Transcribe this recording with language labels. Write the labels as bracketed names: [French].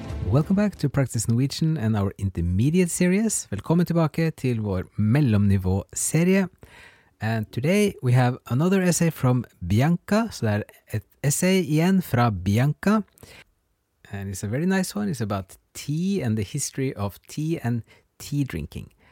[English] Welcome back to Practice Norwegian and our intermediate series. [Norwegian] Velkommen tilbake til vår mellomnivå-serie. [English] And today we have another essay from Bianca. [Norwegian] So that et essay igjen fra Bianca. [English] And it's a very nice one. It's about tea and the history of tea and tea drinking.